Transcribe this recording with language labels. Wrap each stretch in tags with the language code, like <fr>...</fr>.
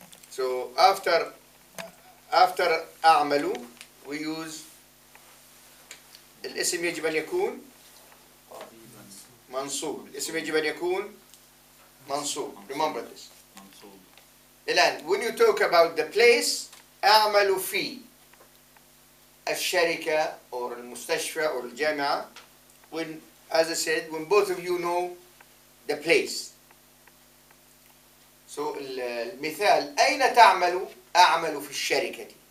<en>So after</en> <ar>أعمل</ar> <en>we use</en> <ar>الاسم يجب أن يكون منصوب. الاسم يجب أن يكون منصوب.</ar> <en>Remember this.</en> <ar>منصوب.</ar> <en>الآن when you talk about the place</en> <ar>أعمل في الشركة or المستشفى or الجامعة.</ar> <en>When, as I said, when both of you know the place.</en> <ar>So المثال أين تعمل؟ أعمل في الشركة.</ar>